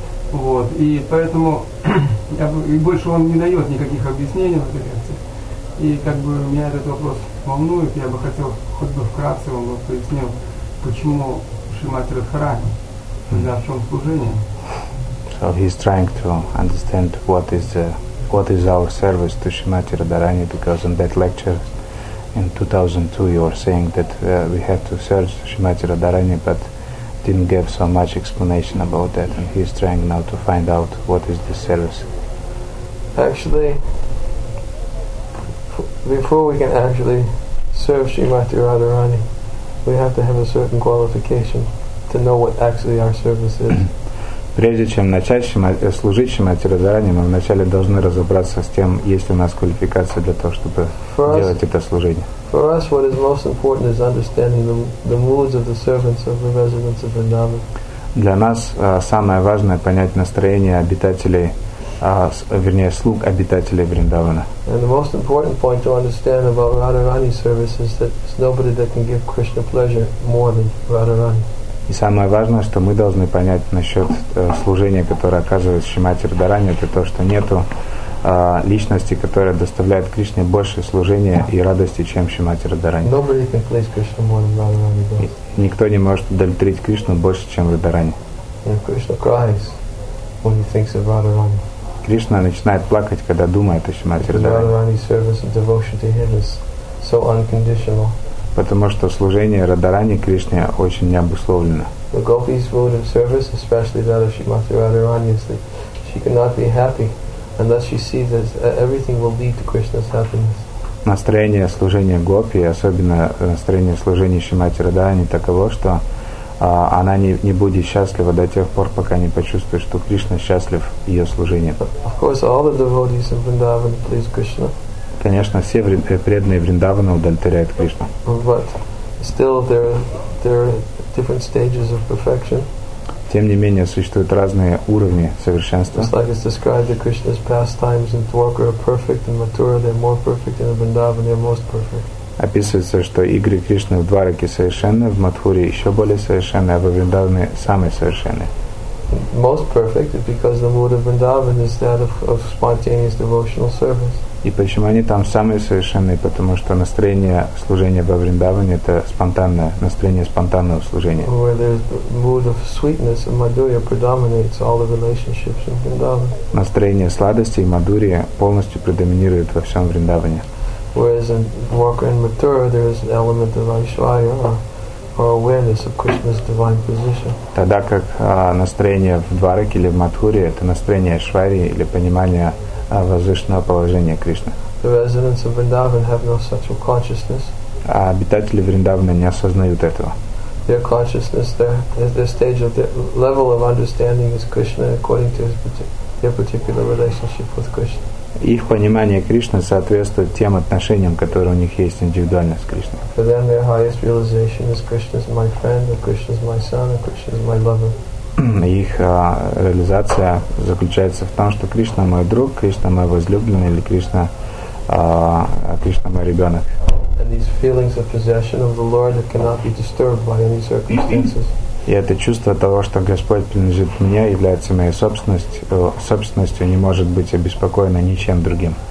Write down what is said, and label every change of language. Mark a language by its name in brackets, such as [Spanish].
[Russian] Вот, и поэтому больше он не дает никаких объяснений в этой лекции. И как бы меня этот вопрос волнует, я бы хотел хоть бы вкратце он пояснил, почему Шримати Радхарани, для в чем служение. [English] So he's trying to understand what is the What is our service to Shrimati Radharani? Because in that lecture in 2002 you were saying that we have to serve Shrimati Radharani, but didn't give so much explanation about that, and he's trying now to find out what is the service. Actually, before we can actually serve Shrimati Radharani, we have to have a certain qualification to know what actually our service is. [Russian] Прежде чем начать служить Шримати Радхарани, мы вначале должны разобраться с тем, есть ли у нас квалификация для того, чтобы делать это служение. [English] For us, what is most important is understanding the moods of the servants of the residents of Vrindavan. [Russian] Для нас самое важное понять настроение обитателей, вернее слуг обитателей Вриндавана. [English] And the most important point to understand about Radharani's service is that there's nobody that can give Krishna pleasure more than Radharani. [Russian] И самое важное, что мы должны понять насчет служения, которое оказывает Шримати Радхарани, это то, что нету личности, которая доставляет Кришне больше служения и радости, чем Шримати Радхарани. [English] Nobody can please Krishna more than Radharani does. [Russian] Никто не может удовлетворить Кришну больше, чем Радхарани. [English] Krishna cries when he thinks of Radharani. [Russian] Кришна начинает плакать, когда думает о Шримати Радхарани. [English] Radharani's service and devotion to him is so unconditional. [Russian] Потому что служение Радхарани Кришне очень необусловлено. [English] The gopi's mode of service, especially that of Shrimati Radharani, is that she cannot be happy unless she sees that everything will lead to Krishna's happiness. [Russian] Настроение служения гопи, особенно настроение служения Шримати Радхарани, таково, что она не будет счастлива до тех пор, пока не почувствует, что Кришна счастлив ее служением. [English] Of course, all the devotees in Vrindavan please Krishna. [Russian] Конечно, все преданные Вриндавана удовлетворяют Кришну. [English] But still there are different stages of perfection. [Russian] Тем не менее, существуют разные уровни совершенства. [English] Just like it's described that Krishna's pastimes in Dwarka are perfect and Mathura, they're more perfect, and in Vrindavan they're most perfect. [Russian] Описывается, что игры Кришны в Двараке совершенны, в Матхуре еще более совершенны, а в Вриндаване самые совершенные. [English] Most perfect is because the mood of Vrindavan is that of spontaneous devotional service. [Russian] И почему они там самые совершенные? Потому что настроение служения во Вриндаване — это спонтанное настроение, спонтанного служения. [English] Where the mood of sweetness and madhurya predominates all the relationships in Vrindavan. [Russian] Настроение сладости и мадурия полностью предоминирует во всем Вриндаване. [English] Whereas in Dwarka and Mathura there is an element of Aishwarya or awareness of Krishna's divine position. [Russian] Тогда как настроение в Двараке или в Матхуре — это настроение Айшварьи или понимание возвышенного положения Кришны. [English] The residents of Vrindavan have no such consciousness. [Russian] А обитатели Вриндавана не осознают этого. [English] Their consciousness, their stage of, their level of understanding is Krishna according to their particular relationship with Krishna. [Russian] Их понимание Кришны соответствует тем отношениям, которые у них есть индивидуально с Кришной. [English] For them their highest realization is Krishna is my friend, or Krishna is my son, or Krishna is my lover. [Russian] Их реализация заключается в том, что Кришна мой друг, Кришна мой возлюбленный, или Кришна, Кришна мой ребенок. [English] And these feelings of possession of the Lord that cannot be disturbed by any circumstances. [Russian] И это чувство того, что Господь принадлежит мне, является моей собственностью, не может быть обеспокоено ничем другим.